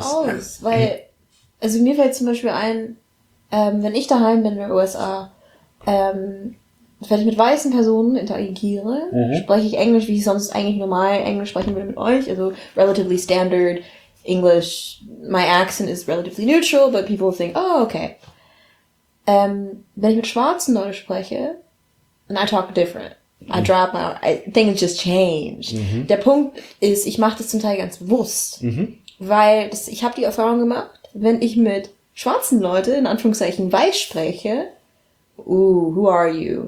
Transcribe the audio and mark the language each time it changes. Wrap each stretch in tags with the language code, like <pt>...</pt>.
<de>Viel aus, weil, also mir fällt zum Beispiel ein, wenn ich daheim bin in den USA, wenn ich mit weißen Personen interagiere, mhm. spreche ich Englisch, wie ich sonst eigentlich normal Englisch sprechen würde mit euch, also</de> <en>relatively standard English, my accent is relatively neutral, but people think, oh, okay.</en> <de>Wenn ich mit schwarzen Leuten spreche,</de> <en>and I talk different. I drop my, I think it just changed. Mhm.</en> <de>Der Punkt ist, ich mache das zum Teil ganz bewusst, mhm. weil ich habe die Erfahrung gemacht, wenn ich mit schwarzen Leuten, in Anführungszeichen weiß spreche,</de> <en>who are you?</en>